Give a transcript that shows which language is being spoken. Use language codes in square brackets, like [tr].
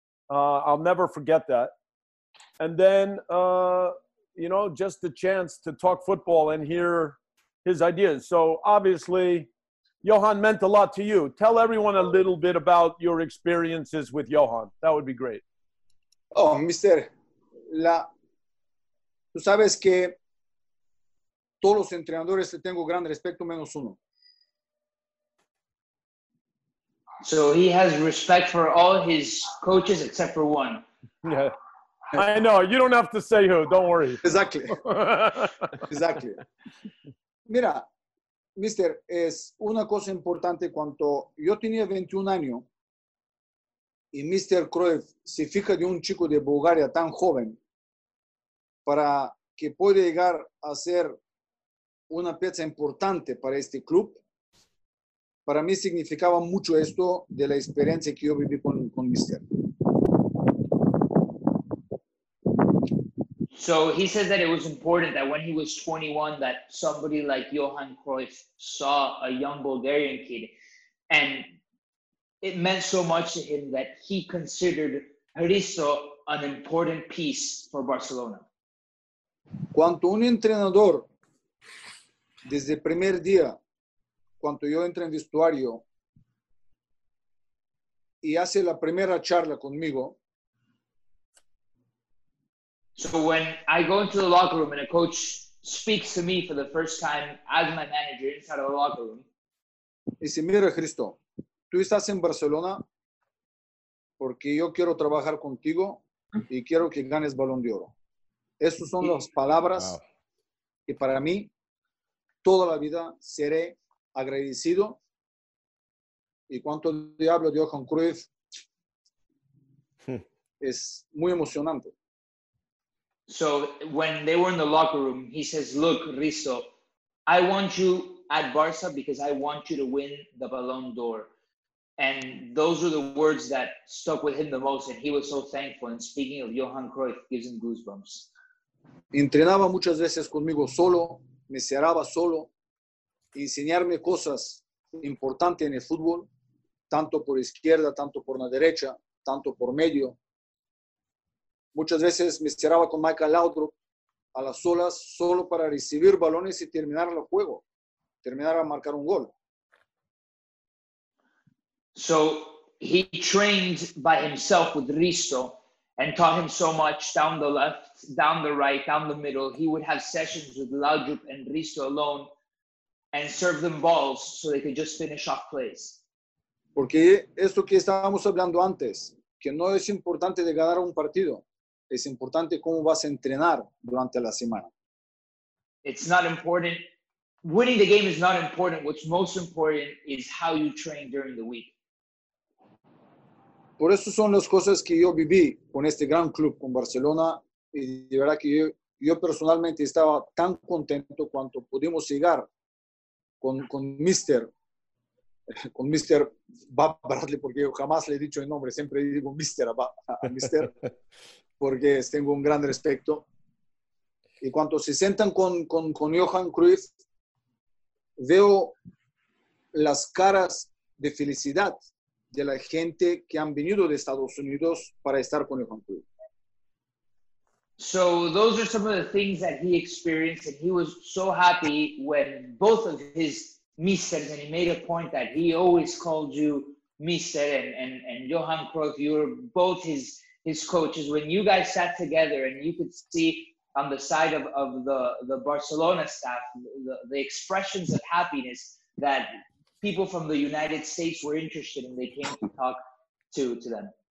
[en] I'll never forget that. And then, you know, just the chance to talk football and hear his ideas. So obviously, Johan meant a lot to you. Tell everyone a little bit about your experiences with Johan. That would be great. Oh, Mr. La... [es] Tú sabes que todos los entrenadores le tengo gran respeto, menos uno. [en] So he has respect for all his coaches except for one. Yeah. I know. You don't have to say who. Don't worry. Exactly. Exactly. [es] Mira, mister, es una cosa importante. Cuando yo tenía 21 años y Mr. Cruyff se fija de un chico de Bulgaria tan joven para que pueda llegar a ser una pieza importante para este club, para mí significaba mucho esto de la experiencia que yo viví con Mister. [en] So he says that it was important that when he was 21 that somebody like Johan Cruyff saw a young Bulgarian kid, and it meant so much to him that he considered Hristo an important piece for Barcelona. [es] Cuando un entrenador, desde el primer día, cuando yo entro en vestuario y hace la primera charla conmigo. [en] So when I go into the locker room and a coach speaks to me for the first time as my manager inside of the locker room. [es] Dice, mira, Cristo, tú estás en Barcelona porque yo quiero trabajar contigo y quiero que ganes Balón de Oro. Esas son las palabras que para mí toda la vida seré agradecido. Y cuanto diablo de Johan Cruyff, es muy emocionante. [en] So when they were in the locker room, he says, look, Risto, I want you at Barça because I want you to win the Ballon d'Or. And those are the words that stuck with him the most. And he was so thankful. And speaking of Johan Cruyff, gives him goosebumps. [es] Entrenaba muchas veces conmigo solo, me cerraba solo, enseñarme cosas importantes en el fútbol, tanto por izquierda, tanto por la derecha, tanto por medio. Muchas veces me cerraba con Michael Laudrup a las solas, solo para recibir balones y terminar el juego, terminar a marcar un gol. [en] So, he trained by himself with Risto. And taught him so much down the left, down the right, down the middle. He would have sessions with Laudrup and Risto alone and serve them balls so they could just finish off plays. [es] Porque esto que estábamos hablando antes, que no es importante de ganar un partido, es importante cómo vas a entrenar durante la semana. [en] It's not important. Winning the game is not important. What's most important is how you train during the week. [es] Por eso son las cosas que yo viví con este gran club, con Barcelona. Y de verdad que yo personalmente estaba tan contento cuando pudimos llegar con Mr. Bob Bradley, porque yo jamás le he dicho el nombre, siempre digo Mr. a Mr. porque tengo un gran respeto. Y cuando se sentan con Johan Cruyff, veo las caras de felicidad de la gente que han venido de Estados Unidos para estar con Johan Cruyff. [en] So those are some of the things that he experienced, and he was so happy when both of his misters, and he made a point that he always called you mister and Johan Cruyff, you were both his coaches. When you guys sat together and you could see on the side of the Barcelona staff, the expressions of happiness that people from the United States were interested and they came to talk to them.